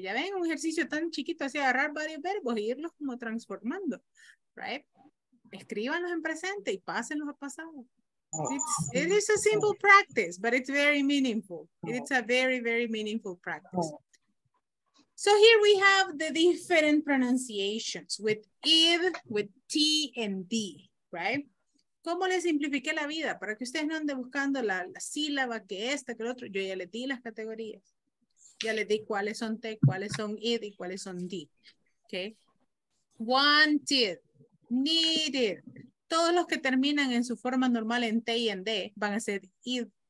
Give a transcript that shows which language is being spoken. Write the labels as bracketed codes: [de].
[es] Ya ven, un ejercicio tan chiquito, así agarrar varios verbos e irlos como transformando, right? escríbanlos en presente y pásenlos a pasado. [en] It is a simple practice, but it's very meaningful. It's a very, very meaningful practice. So here we have the different pronunciations with id, with t and d, right? [es] ¿Cómo les simplifiqué la vida? Para que ustedes no anden buscando la sílaba que esta, que el otro. Yo ya les di las categorías. Ya les di cuáles son t, cuáles son id y cuáles son d. Okay. Wanted, needed. Todos los que terminan en su forma normal en t y en d van a ser id.